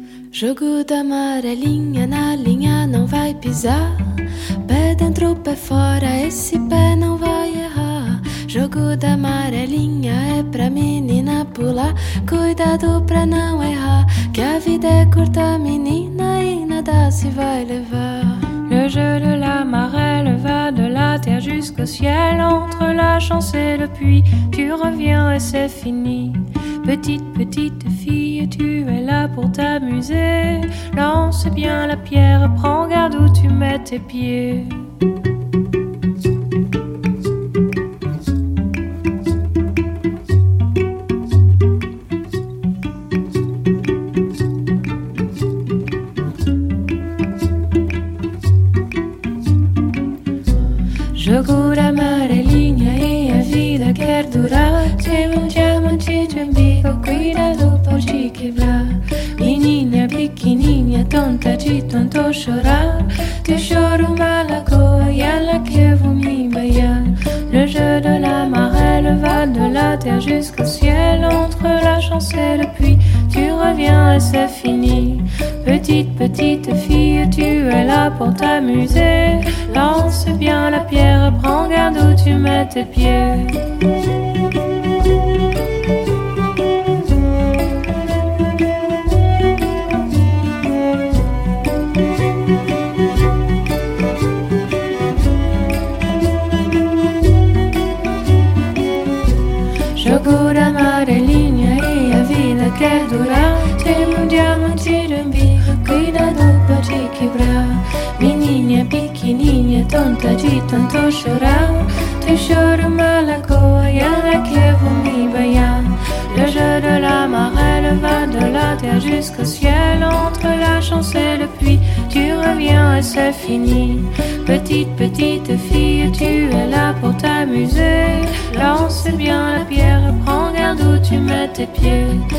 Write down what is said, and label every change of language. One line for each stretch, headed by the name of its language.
Portuguese: Jogo da amarelinha na linha não vai pisar. Pé dentro, pé fora, esse pé não vai errar. Jogo da amarelinha é pra menina pular. Cuidado pra não errar, que a vida é curta, menina, e nada se vai levar.
French: Le jeu de la marelle va de la terre jusqu'au ciel. Entre la chance et le puits, tu reviens et c'est fini. Petite, petite fille, tu es là pour t'amuser. Lance bien la pierre, prends garde où tu mets tes pieds.
Portuguese: Jogo da amarelinha e a vida quer durar. Tem um diamante de umbigo, cuidado por te quebrar. Menina pequenininha, tonta de tanto chorar. Que choro uma lagoa e ela que eu vou me baiar.
French: Le jeu de la marelle va de la terre jusqu'au ciel. Entre la chance et le puits, tu reviens et c'est fini. Petite, petite fille, tu es là pour t'amuser. Lance bien la pierre, prends garde où tu mets tes pieds.
Portuguese: Jogo da amarelinha e a vida quer durar. Tem um diamante de umbigo, cuidado pra te quebrar. Menininha pequenininha, tonta de tanto chorar. Teu choro uma lagoa e ela que eu vou me banhar.
French: Le jeu de la marelle va de la terre jusqu'au ciel. Entre la chance et le puits, tu reviens et c'est fini. Petite, petite fille, tu es là pour t'amuser. Lance bien la pierre, prends garde où tu mets tes pieds.